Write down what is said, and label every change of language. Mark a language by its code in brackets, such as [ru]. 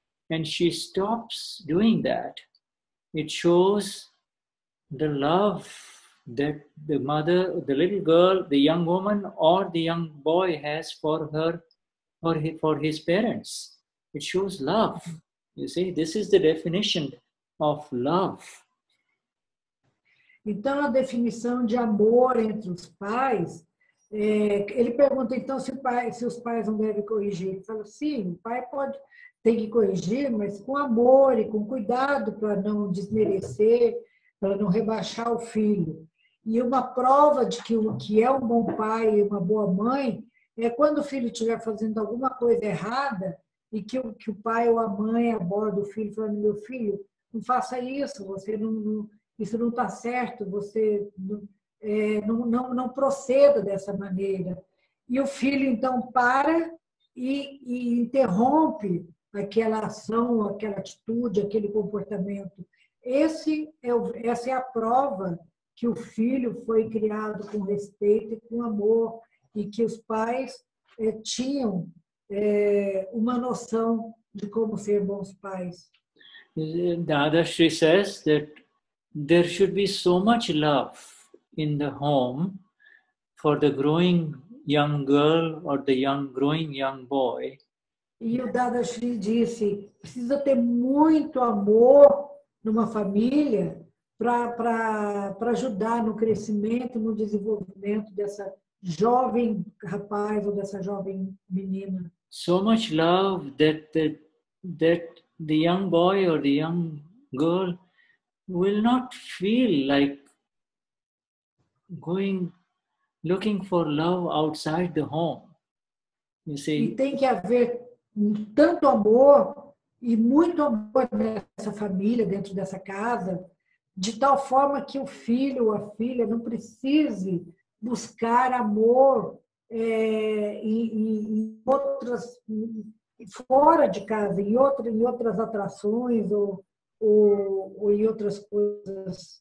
[en] And she stops doing that, it shows the love that the mother, the little girl, the young woman or the young boy has for her or for his parents. It shows love. You see, this is the definition of love. [pt] Então, a definição de amor entre os pais, ele pergunta, então, se os pais não devem corrigir. Ele fala, sim, o pai pode, tem que corrigir, mas com amor e com cuidado para não desmerecer, para não rebaixar o filho. E uma prova de que é um bom pai e uma boa mãe é quando o filho estiver fazendo alguma coisa errada, e que o pai ou a mãe aborda o filho falando, meu filho, não faça isso, isso não está certo, você não proceda dessa maneira. E o filho, então, para e interrompe aquela ação, aquela atitude, aquele comportamento. Essa é a prova que o filho foi criado com respeito e com amor, e que os pais tinham uma noção de como ser bons pais. [en] Dadashri says that there should be so much love in the home for the growing young girl or the young growing young boy. [pt] E o Dadashri disse, precisa ter muito amor numa família para ajudar no crescimento, no desenvolvimento dessa jovem rapaz ou dessa jovem menina. [en] So much love that the young boy or the young girl will not feel like going looking for love outside the home. You see? [pt] E tem que haver tanto amor e muito amor nessa família, dentro dessa casa, de tal forma que o filho ou a filha não precise buscar amor em outras, fora de casa, em outras atrações ou em outras coisas.